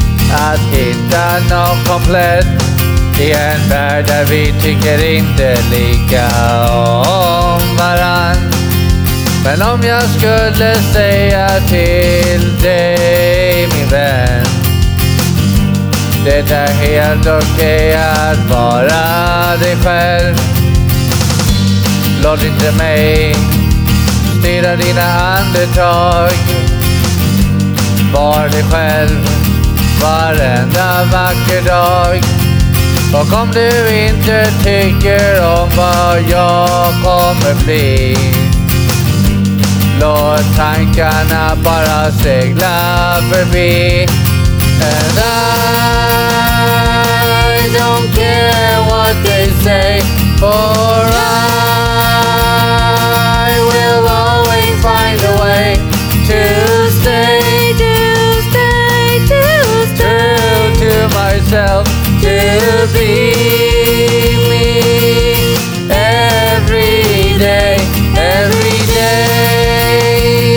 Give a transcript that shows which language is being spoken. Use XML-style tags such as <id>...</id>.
<en>Had it done all complete, the entire derby to get in the league.</en> <sv>Oh, Maran, men om jag skulle säga till dig, min vän, det är helt okej att vara dig själv. Låt inte mig styra dina andetag. Var dig själv varenda vacker dag. Och om du inte tycker om vad jag kommer bli, låt tankarna bara segla förbi.</sv> <en>And I don't care what they say, for I will always find a way to stay, to stay, to stay true to myself, to be me every day, every day.</en>